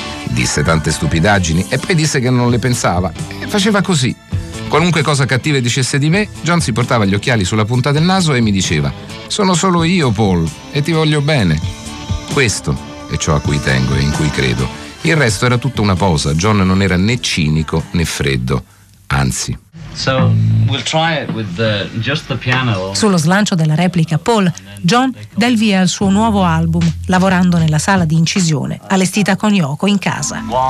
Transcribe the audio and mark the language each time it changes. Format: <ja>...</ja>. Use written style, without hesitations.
<it>Disse tante stupidaggini e poi disse che non le pensava e faceva così. Qualunque cosa cattiva dicesse di me, John si portava gli occhiali sulla punta del naso e mi diceva: «Sono solo io, Paul, e ti voglio bene». Questo è ciò a cui tengo e in cui credo. Il resto era tutta una posa. John non era né cinico né freddo, anzi.</it> <en>So we'll try it with just the piano.</en> <it>Sullo slancio della replica, Paul, John dà il via al suo nuovo album, lavorando nella sala di incisione, allestita con Yoko in casa.</it>